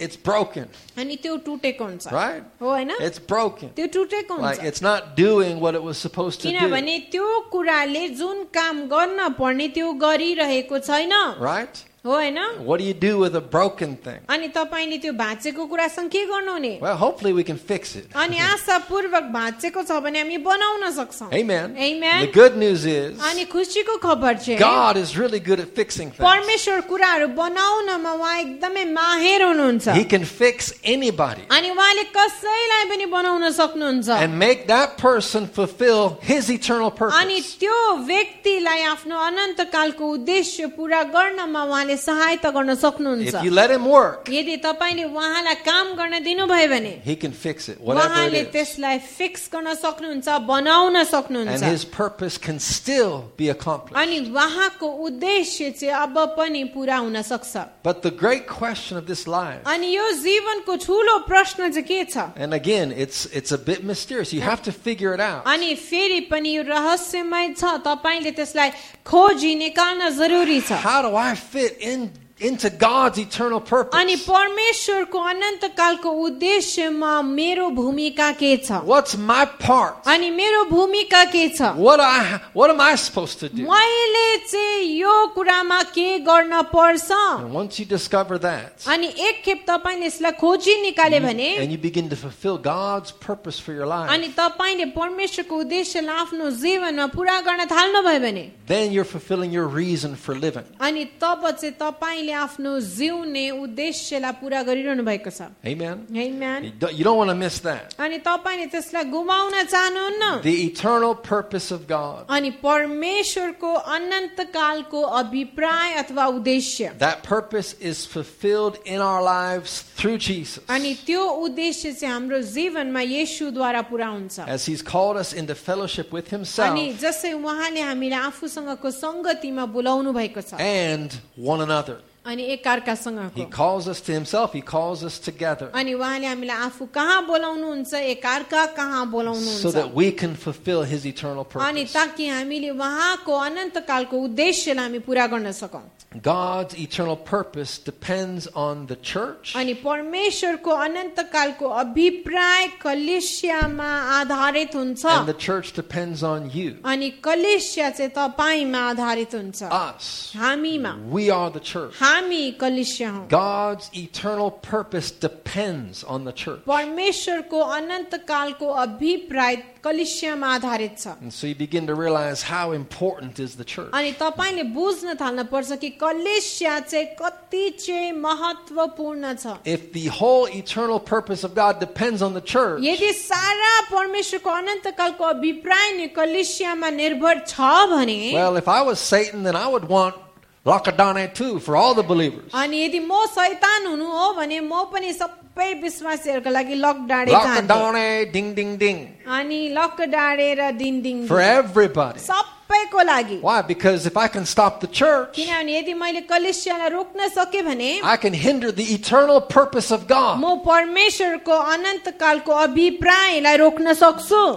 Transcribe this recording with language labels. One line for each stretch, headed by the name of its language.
English: it's broken.
Nepali: अनि त्यो टुटेको हुन्छ.
English: Right?
Nepali: हो हैन?
English: It's broken.
Nepali: त्यो टुटेको हुन्छ.
English: Like it's not doing what it was supposed to do.
Nepali: किनभने त्यो कुराले जुन काम गर्न पर्ने त्यो गरिरहेको छैन.
English: Right?
Nepali: हो हैन?
English: What do you do with a broken thing?
Nepali: अनि तपाईले त्यो भाचेको कुरा सँग के गर्नु हुने?
English: Well, hopefully we can fix it.
Nepali: अनि आशापूर्वक भाचेको छ भने हामी बनाउन सक्छौं.
English: Amen. Amen. The good news is
Nepali: अनि खुशीको खबर चाहिँ
English: God is really good at fixing things.
Nepali: परमेश्वर कुराहरू बनाउनमा वहाँ एकदमै माहिर हुनुहुन्छ.
English: He can fix anybody.
Nepali: अनि वहाँले कसैलाई पनि बनाउन सक्नुहुन्छ.
English: And make that person fulfill his eternal purpose.
Nepali: अनि त्यो व्यक्तिलाई आफ्नो अनन्त कालको उद्देश्य पूरा गर्नमा वहाँ सहायता गर्न सक्नुहुन्छ.
English: If you let him work,
Nepali: यदि तपाईले वहाँलाई काम गर्न दिनुभयो भने
English: he can fix it, whatever it is.
Nepali: वहाँले त्यसलाई फिक्स गर्न सक्नुहुन्छ, बनाउन सक्नुहुन्छ.
English: And his purpose can still be accomplished.
Nepali: अनि वहाँको उद्देश्य चाहिँ अब पनि पूरा हुन सक्छ.
English: But the great question of this life,
Nepali: अनि यो जीवनको ठूलो प्रश्न चाहिँ के छ?
English: And again, it's a bit mysterious. You have to figure it out.
Nepali: अनि फेरि पनि यो रहस्यमय छ. तपाईले त्यसलाई खोजी निकाल्न जरुरी छ.
English: How do I fit into God's eternal purpose?
Nepali: अनि परमेश्वरको अनन्त कालको उद्देश्यमा मेरो भूमिका के छ?
English: What's my part?
Nepali: अनि मेरो भूमिका के छ?
English: What am I supposed to do?
Nepali: मैले चाहिँ यो कुरामा के गर्न पर्छ?
English: Once you discover that,
Nepali: अनि एकखेप तपाईले यसलाई खोजी निकाले भने
English: and you begin to fulfill God's purpose for your life,
Nepali: अनि तपाईले परमेश्वरको उद्देश्यलाई आफ्नो जीवनमा पूरा गर्न थाल्नु भयो भने
English: then you're fulfilling your reason for living.
Nepali: अनि तब चाहिँ तपाईले आफ्नो जीउने उद्देश्यलाई पूरा गरिरहनु भएको छ.
English: Amen. Amen. You don't want to miss that.
Nepali: अनि तपाईले त्यसलाई गुमाउन चाहनुहुन्न.
English: The eternal purpose of God.
Nepali: अनि परमेश्वरको अनन्त कालको अभिप्राय अथवा उद्देश्य.
English: That purpose is fulfilled in our lives through Jesus.
Nepali: अनि त्यो उद्देश्य चाहिँ हाम्रो जीवनमा येशूद्वारा पूरा हुन्छ.
English: As he's called us into fellowship with himself.
Nepali: अनि जसै उहाँले हामीलाई आफूसँगको संगतिमा बोलाउनु भएको छ.
English: And one another.
Nepali: अनि एकअर्कासँगको.
English: He calls us to himself, he calls us together.
Nepali: अनि उहाँले हामीलाई आफू कहाँ बोलाउनु हुन्छ, एकअर्का कहाँ बोलाउनु हुन्छ.
English: So that we can fulfill his eternal purpose.
Nepali: अनि ताकि हामीले वहाँको अनन्त कालको उद्देश्यलाई हामी पूरा गर्न सकौं.
English: God's eternal purpose depends on the church.
Nepali: अनि परमेश्वरको अनन्त कालको अभिप्राय कलिसियामा आधारित हुन्छ.
English: And the church depends on you.
Nepali: अनि कलिसिया चाहिँ तपाईमा आधारित हुन्छ.
English: Us.
Nepali: हामीमा.
English: We are the church.
Nepali: हामी कलिसिया हौ.
English: God's eternal purpose depends on the church.
Nepali: परमेश्वरको अनन्त कालको अभिप्राय कलिसियामा आधारित छ.
English: And so you begin to realize how important is the church.
Nepali: अनि तपाईले बुझ्न थाल्नु पर्छ कि कलिसिया चाहिँ कति चाहिँ महत्त्वपूर्ण छ.
English: If the whole eternal purpose of God depends on the church.
Nepali: यदि सारा परमेश्वरको अनन्त कालको अभिप्राय नै कलिसियामा निर्भर छ भने
English: Well, if I was Satan then I would want Lockadane too for all the believers.
Nepali: अनि यदि म शैतान हुनु हो भने म पनि सबै विश्वासीहरुको लागि लकडाने डिङ डिङ डिङ अनि लकडाने र डिङ डिङ
English: for everybody. Why? Because if I can stop the church,
Nepali: किनभने यदि मैले कलिसियालाई रोक्न सके भने
English: I can hinder the eternal purpose of God.
Nepali: म परमेश्वरको अनन्त कालको अभिप्रायलाई रोक्न सक्छु.